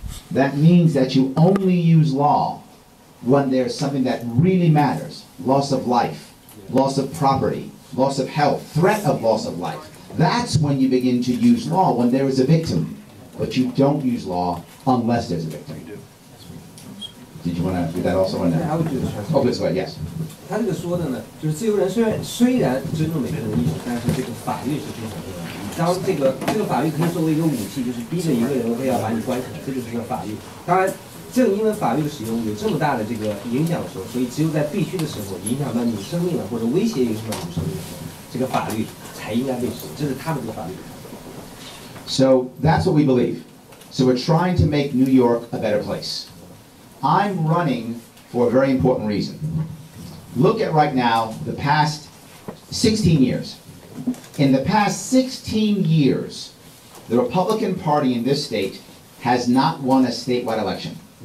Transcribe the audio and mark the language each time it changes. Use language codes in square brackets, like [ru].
[en] That means that you only use law when there's something that really matters. Loss of life, loss of property, loss of health, threat of loss of life. That's when you begin to use law, when there is a victim. But you don't use law unless there's a victim. Did you want to do that also? Yeah, I would do that. Oh, please go ahead, yes. [zh] 他这个说的呢，就是自由人虽然尊重每个人的意思，但是这个法律是最重要的。当然这个法律可以作为一个武器，就是逼着一个人非要把你关起来，这就是个法律。当然正因为法律的使用有这么大的这个影响的时候，所以只有在必须的时候影响到你生命了，或者威胁影响到你生命的时候，这个法律才应该被使用，这是他们的法律。 [en] So that's what we believe. So we're trying to make New York a better place. I'm running for a very important reason. Look at right now the past 16 years. In the past 16 years, the Republican Party in this state has not won a statewide election.